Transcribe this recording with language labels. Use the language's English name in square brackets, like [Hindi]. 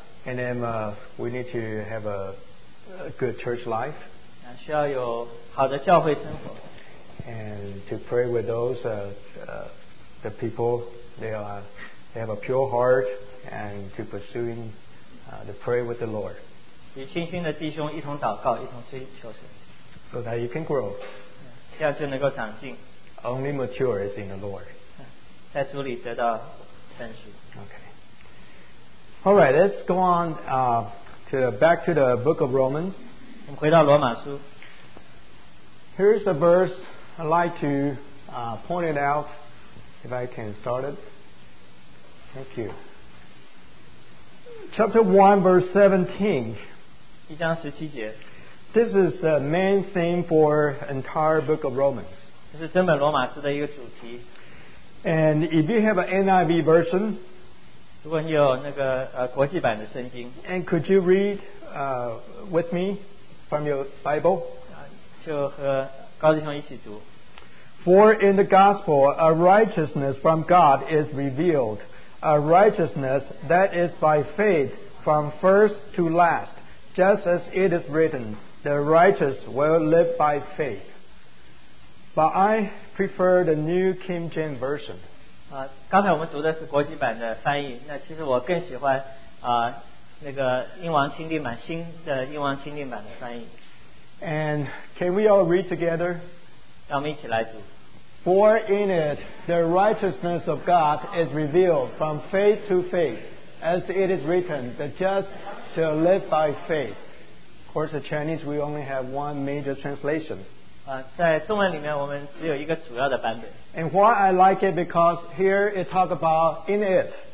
[English] And then we need to have a good church life. [Chinese] 需要有好的教会生活。 [English] And to pray with those the people they have a pure heart and to pursuing to pray with the Lord. [Chinese] 与清新的弟兄一同祷告，一同追求神。 [English] So that you can grow. [Chinese] 这样就能够长进。 [English] Only mature is in the Lord. [Chinese] 在主里得到成熟。 [English] Okay. All right. Let's go on back to the book of Romans. [Chinese] 我们回到罗马书。 [English] Here's a verse. I'd like to point it out, if I can start it. Thank you. Chapter 1, verse 17. [Chinese] 1章17节. [English] This is the main theme for entire book of Romans. [Chinese] 这是整本罗马书的一个主题. [English] And if you have an NIV version, [Chinese] 如果你有那个, 国际版的圣经, [English] and could you read with me from your Bible? [Chinese] 就和高弟兄一起读。 [English] For in the gospel, a righteousness from God is revealed, a righteousness that is by faith from first to last, just as it is written, the righteous will live by faith. But I prefer the New King James Version. [Chinese] 刚才我们读的是国际版的翻译，那其实我更喜欢那个英王钦定版，新的英王钦定版的翻译。 [English] And can we all read together? [Chinese] 让我们一起来读。 [English] For in it, the righteousness of God is revealed from faith to faith, as it is written, the just shall live by faith. Of course, the Chinese, we only have one major translation. [Chinese] 在中文里面我们只有一个主要的版本。 [English] And why I like it, because here it talks about in it.